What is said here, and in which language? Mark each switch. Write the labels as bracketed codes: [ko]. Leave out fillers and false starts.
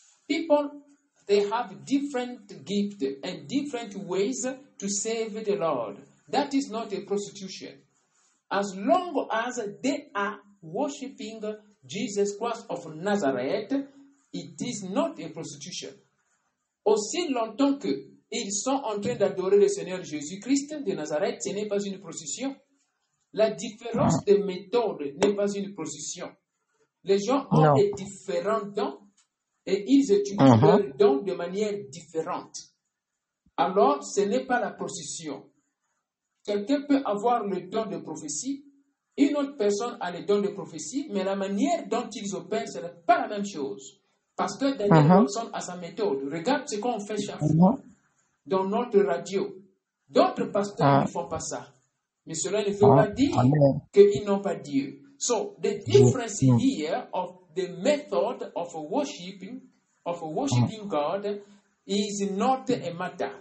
[en] People, they have different gifts and different ways to save the Lord. That is not a prostitution. As long as they are worshiping Jesus Christ of Nazareth, it is not a prostitution. [fr] Aussi longtemps qu'ils sont en train d'adorer le Seigneur Jésus-Christ de Nazareth, ce n'est pas une prostitution. La différence de méthode n'est pas une prostitution. Les gens ont des différents dons et ils utilisent leurs dons de manière différente. Alors, ce n'est pas la prostitution. Quelqu'un peut avoir le don de prophétie, une autre personne a le don de prophétie, mais la manière dont ils opèrent, ce n'est pas la même chose. Parce que Daniel Johnson a sa méthode. Regarde ce qu'on fait chaque fois dans notre radio. D'autres pasteurs ne font pas ça. Mais cela ne veut pas dire qu'ils n'ont pas Dieu. [en] So, the difference here of the method of worshiping God is not a matter.